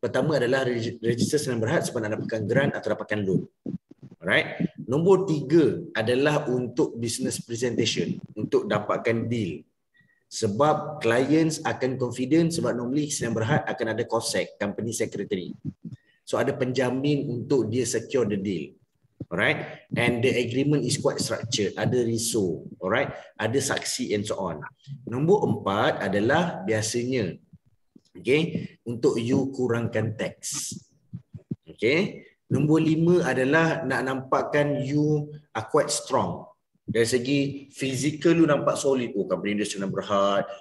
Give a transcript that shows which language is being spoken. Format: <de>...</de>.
<ms>Pertama adalah register Sdn Bhd sebab nak dapatkan grant atau dapatkan loan. Alright. Nombor tiga adalah untuk business presentation, untuk dapatkan deal. Sebab clients akan confident, sebab normally Sdn Bhd akan ada COSEC, company secretary. So ada penjamin untuk dia</ms> <en>secure the deal. Alright. And the agreement is quite structured, ada RISO. Alright.</en> <ms>Ada saksi</ms> <en>and so on.</en> <ms>Nombor empat adalah biasanya, okay, untuk you kurangkan tax. Okay. Nombor lima adalah nak nampakkan</ms> <en>you are quite strong.</en> <ms>Dari segi physical you nampak solid. Oh, company dia Sdn Bhd.</ms>